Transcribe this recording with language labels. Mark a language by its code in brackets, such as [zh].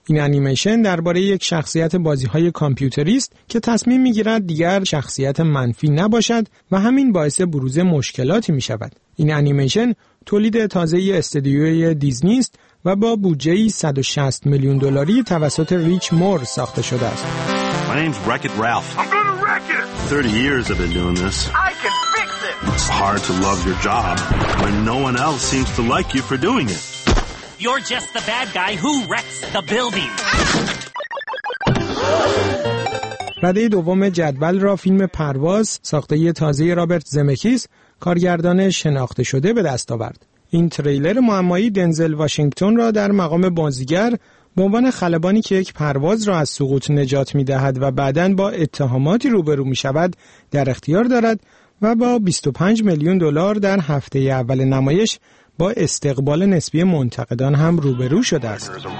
[fa] این انیمیشن درباره یک شخصیت بازی‌های کامپیوتری است که تصمیم می‌گیرد دیگر شخصیت منفی نباشد و همین باعث بروز مشکلاتی می‌شود. این انیمیشن تولید تازه استدیوی دیزنی است و با بودجه 160 میلیون دلاری توسط ریچ مور ساخته شده است. [en] My name's Wreck-It Ralph. I'm gonna wreck it. 30 years I've been doing this. I can fix it. It's hard to love your job when no one else seems to like you for doing it. You're just the bad guy who wrecks the building. [fa] رده دوم جدول را فیلم پرواز ساخته تازه رابرت زمکیس کارگردان شناخته شده به دست آورد. این تریلر معمایی دنزل واشنگتن را در مقام بازیگر به عنوان خلبانی که یک پرواز را از سقوط نجات می دهد و بعداً با اتهاماتی روبرو می شود در اختیار دارد و با 25 میلیون دلار در هفته اول نمایش با استقبال نسبی منتقدان هم روبرو شده است.